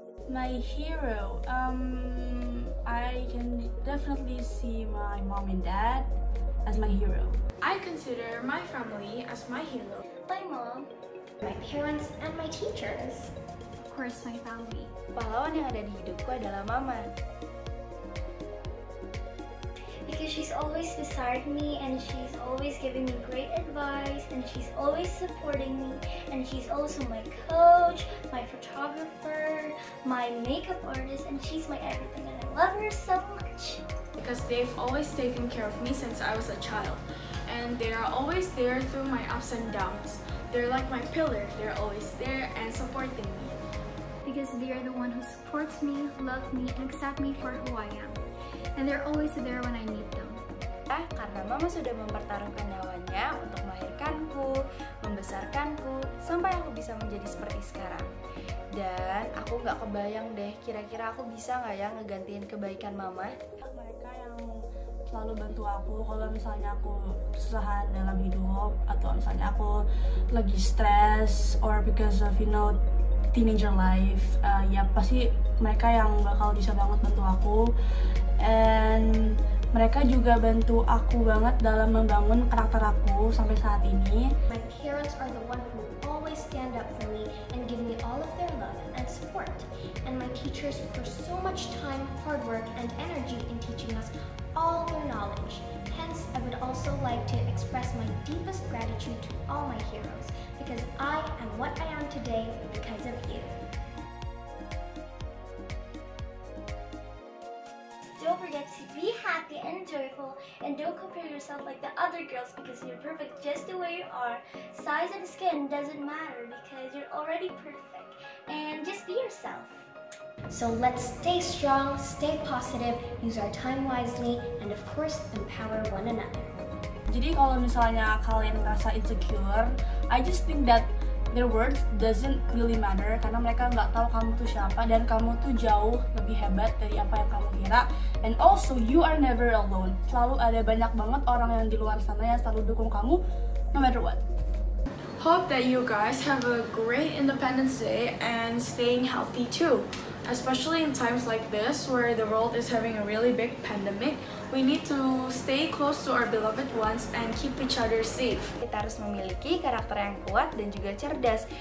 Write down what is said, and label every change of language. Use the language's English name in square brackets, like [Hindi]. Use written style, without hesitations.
[English] My hero, I can definitely see my mom and dad as my hero. I consider my family as my hero. My mom, my parents, and my teachers. Of course, my family. [Indonesian] Pahlawan yang ada di hidupku adalah mama. [English] Because she's always beside me, and she's always giving me great advice, and she's always supporting me, and she's also my coach, my photographer, my makeup artist, and she's my everything, and I love her so much. Because they've always taken care of me since I was a child, and they are always there through my ups and downs. They're like my pillar, they're always there and supporting me. Because they are the one who supports me, loves me, and accepts me for who I am. And they're always there when I need them. [Indonesian] Karena mama sudah mempertaruhkan nyawanya untuk melahirkanku, membesarkanku, sampai aku bisa menjadi seperti sekarang. Dan aku nggak kebayang deh, kira-kira aku bisa nggak ya ngegantiin kebaikan mama? Mereka yang selalu bantu aku kalau misalnya aku kesusahan dalam hidup, atau misalnya aku lagi stres, [English] or because of, you know, teenager life, [Indonesian] ya pasti mereka yang bakal bisa banget bantu aku. [English] And [Indonesian] mereka juga bantu aku banget dalam membangun karakter aku sampai saat ini. [English] My parents are the one who always stand up for me and give me all of their love and support. And my teachers pour so much time, hard work, and energy in teaching us all their knowledge. Hence, I would also like to express my deepest gratitude to all my heroes, because I am what I am today because of you. Don't forget to be happy and joyful, and don't compare yourself like the other girls because you're perfect just the way you are. Size and skin doesn't matter because you're already perfect. And just be yourself. So let's stay strong, stay positive, use our time wisely, and of course, empower one another. [Indonesian] Jadi kalau misalnya kalian merasa insecure, [English] I just think that their words doesn't really matter [Indonesian] karena mereka nggak tahu kamu tuh siapa dan kamu tuh jauh lebih hebat dari apa yang kamu kira. [English] And also, you are never alone. [Indonesian] Selalu ada banyak banget orang yang di luar sana yang selalu dukung kamu, [English] no matter what. Hope that you guys have a great Independence Day and staying healthy too. Especially in times like this where the world is having a really big pandemic, we need to stay close to our beloved ones and keep each other safe. [Indonesian] Kita harus memiliki karakter yang kuat dan juga cerdas.